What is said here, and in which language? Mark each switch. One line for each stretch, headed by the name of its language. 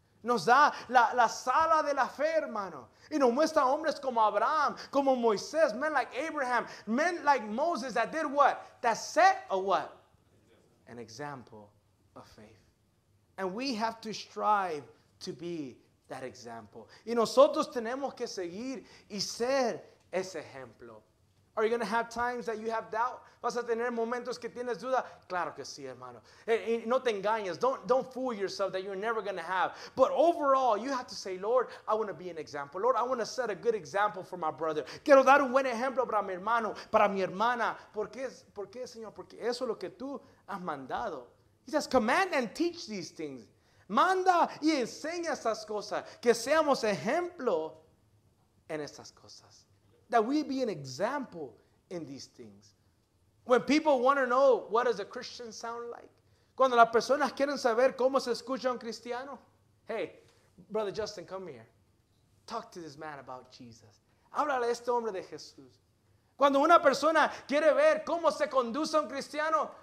Spanish: Nos da la sala de la fe, hermano. Y nos muestra hombres como Abraham, como Moisés,
English: men like Abraham, men like Moses that did what? That set a what? An example of faith. And we have to strive to be that example.
Spanish: Y nosotros tenemos que seguir y ser ese ejemplo.
English: Are you going to have times that you have doubt?
Spanish: ¿Vas a tener momentos que tienes duda? Claro que sí, hermano. No te engañes.
English: Don't fool yourself that you're never going to have. But overall, you have to say, Lord, I want to be an example. Lord, I want to set a good example for my brother.
Spanish: Quiero dar un buen ejemplo para mi hermano, para mi hermana. ¿Por qué, Señor? Porque eso es lo que tú has mandado.
English: He says, command and teach these things.
Spanish: Manda y enseña esas cosas. Que seamos ejemplo en esas cosas.
English: That we be an example in these things. When people want to know what does a Christian sound like?
Spanish: Cuando las personas quieren saber cómo se escucha un cristiano.
English: Hey, Brother Justin, come here. Talk to this man about Jesus.
Spanish: Háblale a este hombre de Jesús. Cuando una persona quiere ver cómo se conduce un cristiano.